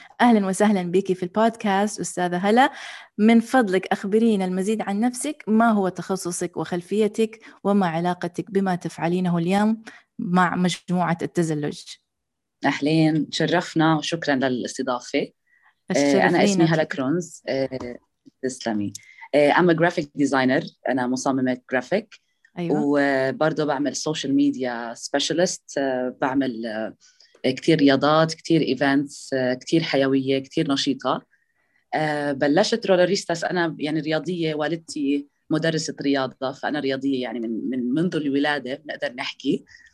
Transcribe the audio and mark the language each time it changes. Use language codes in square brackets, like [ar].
[ar] أهلا وسهلا بك في البودكاست أستاذة هلا، من فضلك أخبرينا المزيد عن نفسك، ما هو تخصصك وخلفيتك وما علاقتك بما تفعلينه اليوم مع مجموعة التزلج؟ أهلين، شرفنا وشكرا للاستضافة. أنا اسمي هلا كرنز، تسلمي. [en] I'm a graphic designer، [ar] أنا مصممة [en] graphic. [ar] أيوة. وبرضو بعمل social media specialist، بعمل كتير رياضات، كتير إيفنتس، كتير حيوية، كتير نشيطة. بلشت رولليريستاس، أنا يعني رياضية، والدتي مدرسة رياضة، فأنا رياضية يعني من منذ الولادة بنقدر نحكي.